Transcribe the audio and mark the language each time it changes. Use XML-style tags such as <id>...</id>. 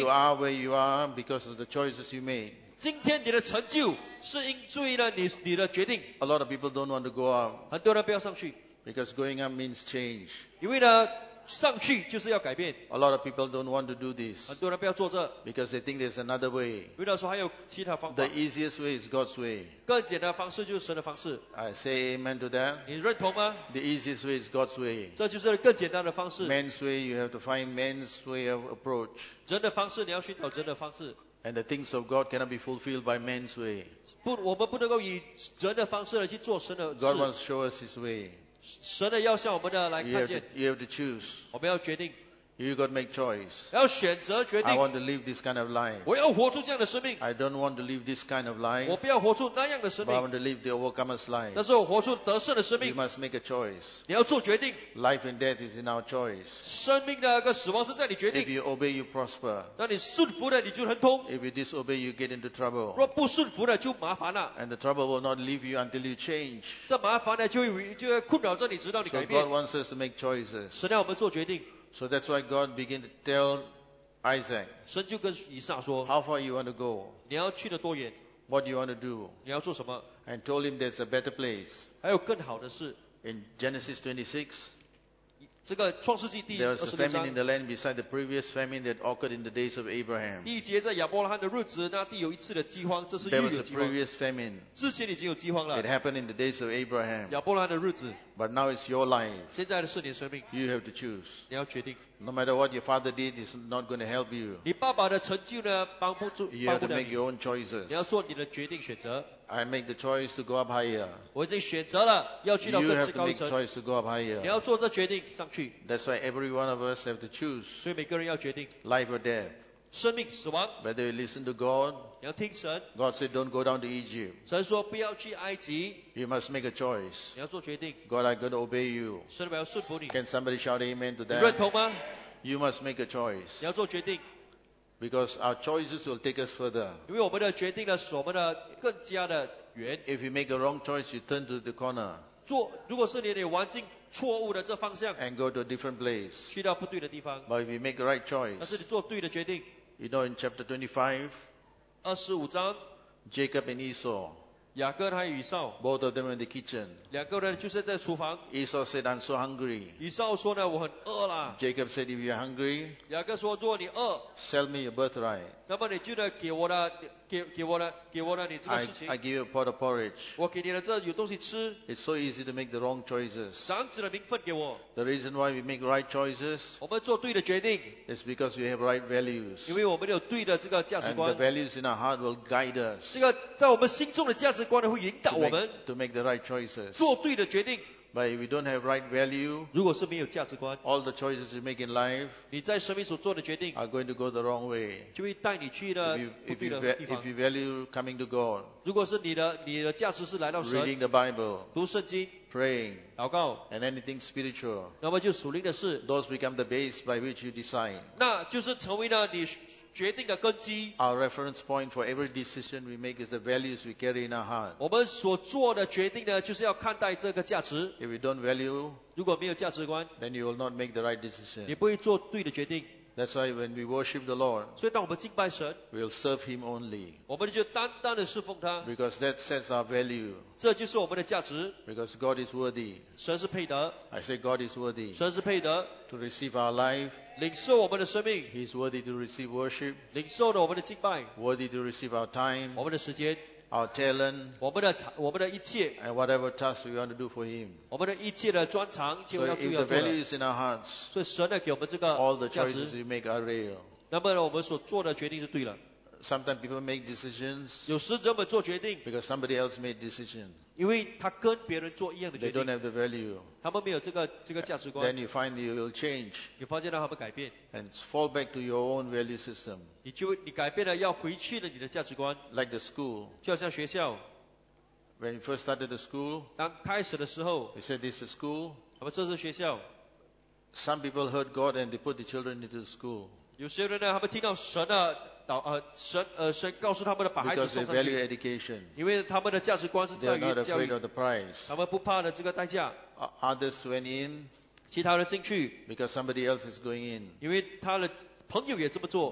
<en>You are where you are because of the choices you made.</en> <zh>今天你的成就是因为了你的决定。</zh> <en>A lot of people don't want to go up.</en> <zh>很多人不要上去。</zh> <en>Because going up means change.</en> <zh>因为呢上去就是要改变。</zh> <en>A lot of people don't want to do this.</en> <zh>很多人不要做这。</zh> <en>Because they think there's another way.</en> <zh>为了说还有其他方法。</zh> <en>The easiest way is God's way.</en> <zh>更简单的方式就是神的方式。</zh> <en>I say amen to that.</en> <zh>你认同吗？</zh> <en>The easiest way is God's way.</en> <zh>这就是更简单的方式。</zh> <en>Man's way, you have to find man's way of approach.</en> <zh>人的方式你要寻找人的方式。</zh> <en>And the things of God cannot be fulfilled by man's way.</en> <zh>不，我们不能够以人的方式来去做神的事。</zh> <en>God wants to show us his way.</en> <zh>神的要向我们的来看见。</zh> <en>You have to choose.</en> <zh>我们要决定。</zh> <en>You got to make choice.</en> <zh>要选择决定。</zh> <en>I want to live this kind of life.</en> <zh>我要活出这样的生命。</zh> <en>I don't want to live this kind of life.</en> <zh>我不要活出那样的生命。</zh> <en>I want to live the overcomer's life.</en> <zh>但是我活出得胜的生命。</zh> <en>You must make a choice.</en> <zh>你要做决定。</zh> <en>Life and death is in our choice.</en> <zh>生命的跟死亡是在你决定。</zh> <en>If you obey, you prosper.</en> <zh>当你顺服的，你就亨通。</zh> <en>If you disobey, you get into trouble.</en> <zh>若不顺服的，就麻烦了。</zh> <en>And the trouble will not leave you until you change.</en> <zh>这麻烦呢，就会困扰着你，直到你改变。</zh> <en>So God wants us to make choices.</en> <zh>神要我们做决定。</zh> <en>So that's why God began to tell Isaac,</en> <zh>神就跟以撒说,</zh> <en>how far you want to go,</en> <zh>你要去得多远,</zh> <en>what you want to do,</en> <zh>你要做什么,</zh> <en>and told him there's a better place.</en> <zh>还有更好的事,</zh> <en>in Genesis 26,</en> <zh>这个创世纪第26章,</zh> <en>there was a famine in the land beside the previous famine that occurred in the days of Abraham.</en> <zh>第一节在亚伯拉罕的日子, 那地有一次的饥荒, 这是预有饥荒。</zh> <en>There was a previous famine.</en> <zh>之前已经有饥荒了。</zh> <en>It happened in the days of Abraham.</en> <zh>亚伯拉罕的日子。</zh> <en>But now it's your life.</en> <zh>现在的是你的生命。</zh> <en>You have to choose.</en> <zh>你要决定。</zh> <en>No matter what your father did, it's not going to help you.</en> <zh>你爸爸的成就呢帮不住,</zh> <en>you have to make your own choices.</en> <zh>你要做你的决定选择。</zh> <en>I make the choice to go up higher.</en> <zh>我已经选择了要去到更高层。</zh> <en>You have to make choice to go up higher.</en> <zh>你要做这决定上去。</zh> <en>That's why every one of us have to choose.</en> <zh>所以每个人要决定。</zh> <en>Life or death.</en> <zh>生命死亡。</zh> <en>Whether you listen to God.</en> <zh>你要听神。</zh> <en>God said, "Don't go down to Egypt."</en> <zh>神说不要去埃及。</zh> <en>You must make a choice.</en> <zh>你要做决定。</zh> <en>God, I'm going to obey you.</en> <zh>神，我要顺服你。</zh> <en>Can somebody shout amen to that?</en> <zh>你认同吗？</zh> <en>You must make a choice.</en> <zh>你要做决定。</zh> <en>Because our choices will take us further.</en> <zh>因为我们的决定呢，使我们的更加的远。</zh> <en>If you make a wrong choice, you turn to the corner.</en> <zh>做，如果是你往进错误的这方向。</zh> <en>And go to a different place.</en> <zh>去到不对的地方。</zh> <en>But if you make the right choice.</en> <zh>但是你做对的决定。</zh> <en>You know, in chapter 25.</en> <zh>25章。</zh> <en>Jacob and Esau.</en> <zh>雅各和以扫,</zh> <en>both of them in the kitchen.</en> <zh>两个人就是在厨房,</zh> <en>Esau said, I'm so hungry.</en> <zh>以扫说呢, 我很饿了,</zh> <en>Jacob said, if you're hungry,</en> <zh>雅各说, 若你饿,</zh> <en>sell me your birthright.</en> <zh>那么你就呢, 给我了你这个事情,</zh> <en>I give you a pot of porridge.</en> <zh>我给你了这有东西吃,</zh> <en>it's so easy to make the wrong choices.</en> <zh>长子的名分给我,</zh> <en>the reason why we make right choices</en> <zh>我们做对的决定,</zh> <en>is because we have right values.</en> <zh>因为我们有对的这个价值观,</zh> <en>and the values in our heart will guide us.</en> <zh>这个在我们心中的价值观,</zh> <en>to make the right choices. But if we don't have right value, all the choices you make in life are going to go the wrong way. If you value coming to God, reading the Bible,</en> <zh>读圣经,</zh> <en>praying,</en> <zh>祷告,</zh> <en>and anything spiritual,</en> <zh>那么就属灵的事,</zh> <en>those become the base by which you design.</en> <zh>那就是成为呢, 决定的根基,</zh> <en>our reference point for every decision we make is the values we carry in our heart.</en> <zh>我们所做的决定呢,</zh> <en>if we don't value,</en> <zh>如果没有价值观,</zh> <en>then you will not make the right decision.</en> <zh>你不会做对的决定,</zh> <en>that's why when we worship the Lord,</en> <zh>所以当我们敬拜神,</zh> <en>we'll serve Him only.</en> <zh>我们就单单地侍奉他,</zh> <en>because that sets our value.</en> <zh>这就是我们的价值,</zh> <en>because God is worthy.</en> <zh>神是配得,</zh> <en>I say God is worthy.</en> <zh>神是配得,</zh> <en>to receive our life.</en> <zh>领受我们的生命,</zh> <en>He's worthy to receive worship.</en> <zh>领受了我们的敬拜,</zh> <en>worthy to receive our time.</en> <zh>我们的时间,</zh> <en>our talent,</en> <zh>我们的一切,</zh> <en>and whatever task we want to do for Him.</en> <zh>我们的一切的专长,</zh> <en>so if the value is in our hearts,</en> <zh>所以神给我们这个,</zh> <en>all the choices we make are real.</en> <zh>那么我们所做的决定是对了。</zh> <en>Sometimes people make decisions,</en> <zh>有时这么做决定,</zh> <en>because somebody else made decision.</en> <zh>因为他跟别人做一样的决定,</zh> <en>they don't have the value.</en> <zh>他们没有这个价值观,</zh> <en>then you find you will change,</en> <zh>你发现到他们改变,</zh> <en>and fall back to your own value system.</en> <zh>你改变了要回去的你的价值观,</zh> <en>like the school,</en> <zh>就好像学校,</zh> <en>when you first started the school,</en> <zh>当开始的时候,</zh> <en>they said this is a school,</en> <zh>他们这是学校,</zh> <en>some people heard God and they put the children into the school.</en> <zh>有些人呢, 他们听到神的, 神告诉他们的把孩子送上去,</zh> <en>because they value education,</en> <zh>因为他们的价值观是教育,</zh> <en>others went in,</en> <zh>其他人进去,</zh> <en>because somebody else is going in,</en> <zh>因为他的朋友也这么做,</zh>